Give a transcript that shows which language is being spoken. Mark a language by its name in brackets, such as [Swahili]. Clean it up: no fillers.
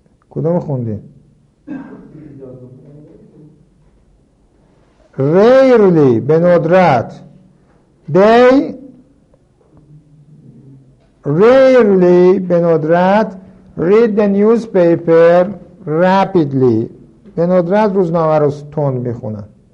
[Persian] کدوم خوندی؟ Rarely به ندرت. [English] They rarely [Persian] به ندرت [English] read the newspaper rapidly. [Persian] به ندرت روزنامه رو تند میخونن.